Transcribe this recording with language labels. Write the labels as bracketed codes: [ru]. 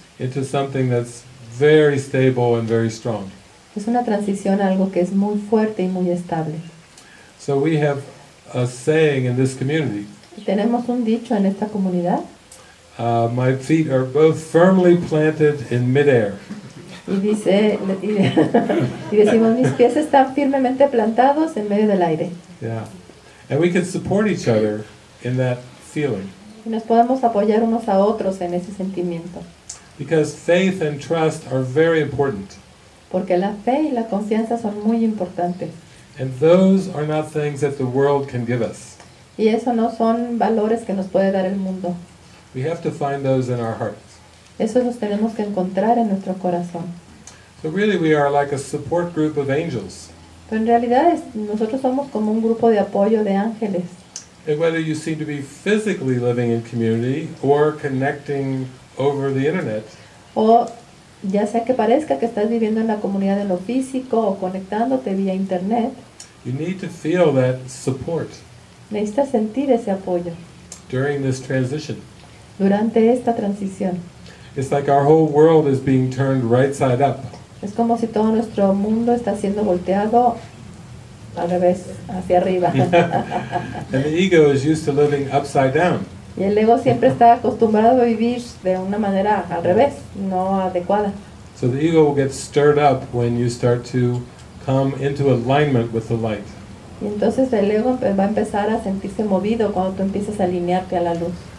[en] Into something that's very stable and very strong. [es] Es una transición a algo que es muy fuerte y muy estable. [en] So we have a saying in this community. [es] Tenemos un dicho en esta comunidad. [en] My feet are both firmly planted in midair. [es] Y dice, y decimos, mis pies están firmemente plantados en medio del aire. Yeah. [en] And we can support each other in that feeling. [es] Y nos podemos apoyar unos a otros en ese sentimiento. [en] Because faith and trust are very important. [es] Porque la fe y la confianza son muy importantes. [en] And those are not things that the world can give us. [es] Y eso no son valores que nos puede dar el mundo. [en] We have to find those in our hearts. [es] Esos los tenemos que encontrar en nuestro corazón. [en] So really we are like a support group of angels. [es] Pero en realidad nosotros somos como un grupo de apoyo de ángeles. [en] And whether you seem to be physically living in community or connecting over the internet. [es] O ya sea que parezca que estás viviendo en la comunidad en lo físico o conectándote vía internet, [en] you need to feel that support. [es] Necesitas sentir ese apoyo. [en] During this transition. [es] Durante esta transición. [en] It's like our whole world is being turned right side up. [es] Es como si todo nuestro mundo está siendo volteado al revés, hacia arriba. [en] And the ego is used to living upside down. [es] Y el ego siempre está acostumbrado a vivir de una manera al revés, no adecuada. [en] So the ego will get stirred up when you start to come into alignment with the light. [es] Y entonces el ego va a empezar a sentirse movido cuando tú empiezas a alinearte a la luz.